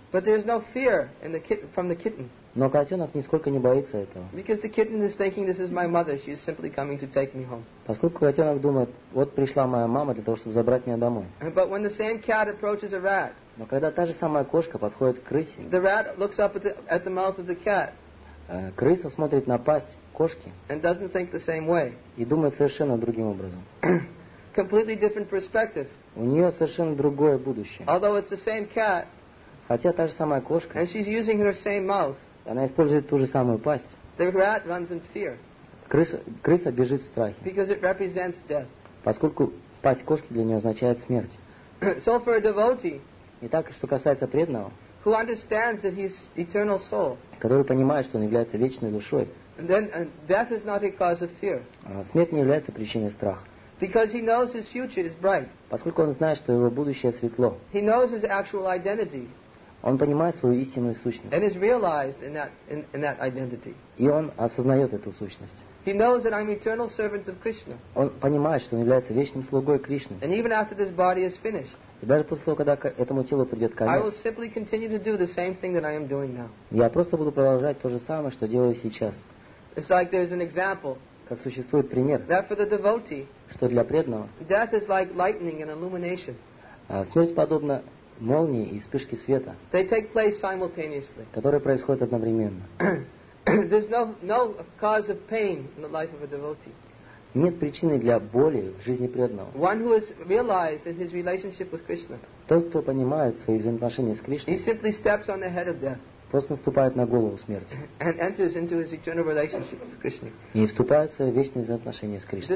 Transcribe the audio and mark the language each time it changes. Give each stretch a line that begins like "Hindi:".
English: But there is no fear in the kitten from the kitten.
Russian: Но котенок нисколько не боится этого.
English: Because the kitten is thinking this is my mother, she is simply coming to take me home.
Russian: Поскольку котенок думает, вот пришла моя мама для того, чтобы забрать меня домой.
English: But when the same cat approaches a rat.
Russian: Но когда та же самая кошка подходит к крысе,
English: the rat looks up at the mouth of the cat.
Russian: Крыса смотрит на пасть кошки.
English: And doesn't think the same way.
Russian: И думает совершенно другим образом.
English: Completely different perspective.
Russian: У нее совершенно другое будущее.
English: Although it's the same cat.
Russian: Хотя та же самая кошка.
English: And she's using her same mouth.
Russian: Она использует ту же самую пасть.
English: The rat runs in fear.
Russian: Крыса бежит в страхе.
English: Because it represents death.
Russian: Поскольку пасть кошки для нее означает смерть.
English: So for a devotee.
Russian: Итак, что касается преданного,
English: who understands that he is eternal soul,
Russian: который понимает, что он является вечной душой,
English: then death is not a cause of fear,
Russian: смерть не является причиной страха,
English: because he knows his future is bright,
Russian: поскольку он знает, что его будущее светло,
English: he knows his actual identity,
Russian: Он понимает свою истинную сущность.
English: And is realized in that, in that identity.
Russian: И он осознает эту сущность.
English: He knows that I'm eternal servant of Krishna.
Russian: Он понимает, что он является вечным слугой Кришны.
English: And even after this body is finished.
Russian: И даже после того, когда к этому телу придет конец.
English: I will simply continue to do the same thing that I am doing now.
Russian: Я просто буду продолжать то же самое, что делаю сейчас.
English: It's like there's an example.
Russian: Как существует пример.
English: That for the devotee.
Russian: Что для преданного.
English: Death is like lightning and illumination.
Russian: Смерть подобна молнии и вспышки света.
English: They take place simultaneously.
Russian: Которые происходят одновременно.
English: There's no cause of pain in the life of a devotee.
Russian: Нет причины для боли в жизни преданного.
English: One who has realized in his relationship with Krishna.
Russian: Тот, кто понимает свои взаимоотношения с Кришной.
English: He simply steps on the head of death.
Russian: Просто наступает на голову смерти.
English: And enters into his eternal relationship with Krishna.
Russian: И вступает в свои вечные взаимоотношения с Кришной.